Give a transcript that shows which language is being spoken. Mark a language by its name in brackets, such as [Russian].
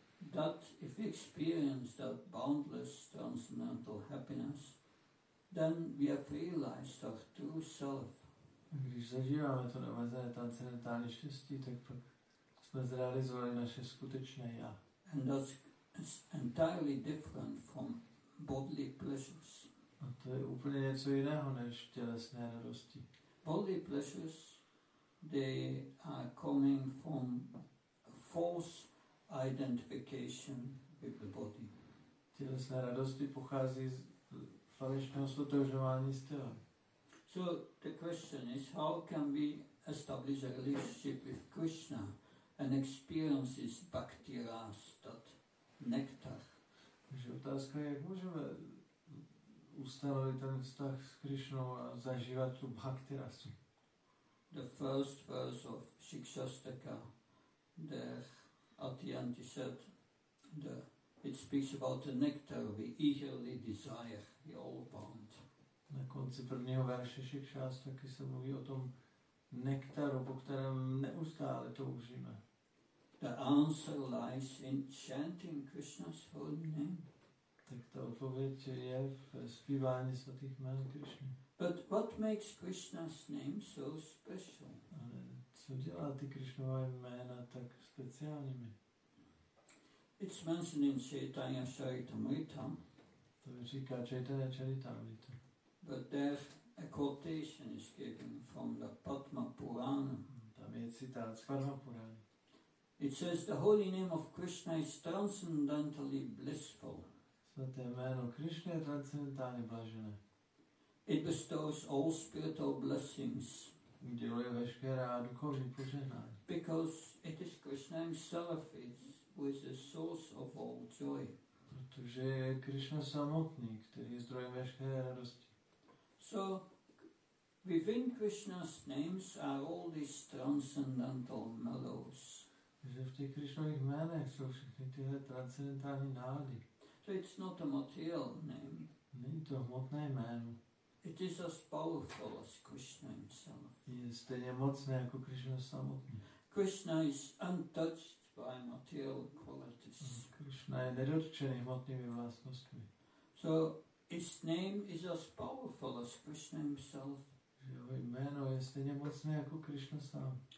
[English] That if we experience that boundless transcendental happiness, then we have realized our true self. [Czech] Když zažíváme to neomezené transcendentální štěstí, tak jsme zrealizovali naše skutečné já. [English] And that's entirely different from bodily pleasures. [Czech] A to je úplně něco jiného než tělesné radosti. [English] Bodily pleasures, they are coming from false identification with the body. [Czech] Tělesné radosti pochází z falešného sotožování s tělem. [English] So the question is, how can we establish a relationship with Krishna and experience his bhakti ras, that nektar? [Czech] Takže otázka je, jak můžeme ustanovit ten vztah s Krishnou a zažívat tu bhakti rasu. [English] The first verse of Shikshastaka, at the end he said, it speaks about the nectar we eagerly desire, we all want. [Czech] Na konci prvního verše Shikshastaky se mluví o tom nektaru, po kterém neustále toužíme. [English] The answer lies in chanting Krishna's holy name. [Czech] Tak ta odpověď je v zpívání svatých jmén Krishna. [English] But what makes Krishna's name so special? [Czech] Ale co dělá ty Krishnova jména tak speciálními? [English] It's mentioned in Chaitanya Charitamrita. [Czech] To říká Chaitanya Charitamrita. [English] But there a quotation is given from the Padma Purana. [Czech] Tam je citát z Padma Purana. [English] It says the holy name of Krishna is transcendentally blissful. [Czech] Svaté jméno Krishna je transcendentálně blažené. [English] It bestows all spiritual blessings. [Czech] Děluje veškerá duchovní požehnání. [English] Because it is Krishna himself who is the source of all joy. [Czech] Protože je Krishna samotný, který je zdrojem veškeré radosti. [English] So, within Krishna's names are all these transcendental mellows. [Czech] Takže v těch Krishnových jménech jsou všechny tyhle transcendentální nády. [English] So it's not a material name. [Czech] Není to hmotné jméno. [English] It is as powerful as Krishna himself. [Czech] Je stejně mocné jako Krishna samotný. [English] Krishna is untouched by material qualities. [Czech] Krishna je nedotčený hmotnými vlastnostmi. [English] So his name is as powerful as Krishna himself. [Czech] Jeho jméno je stejně mocné jako Krishna sám.